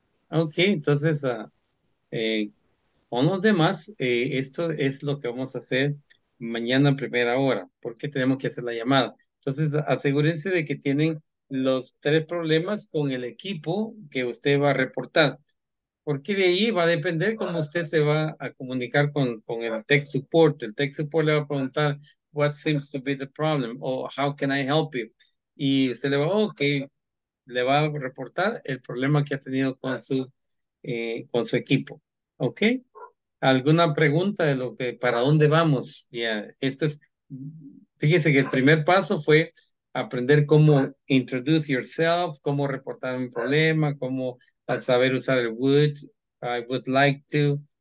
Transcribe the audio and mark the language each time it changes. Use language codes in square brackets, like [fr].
[es] Ok, entonces, con los demás, esto es lo que vamos a hacer mañana a primera hora, porque tenemos que hacer la llamada. Entonces, asegúrense de que tienen los tres problemas con el equipo que usted va a reportar, porque de ahí va a depender cómo usted se va a comunicar con el tech support. El tech support le va a preguntar, [en] what seems to be the problem, [es] o [en] how can I help you? [es] Y usted le va, ok, le va a reportar el problema que ha tenido con su equipo. ¿Ok? ¿Alguna pregunta de lo que, para dónde vamos? Yeah. Esto es, fíjese que el primer paso fue aprender cómo [en] introduce yourself, [es] cómo reportar un problema, cómo saber usar el would, [en] I would like to.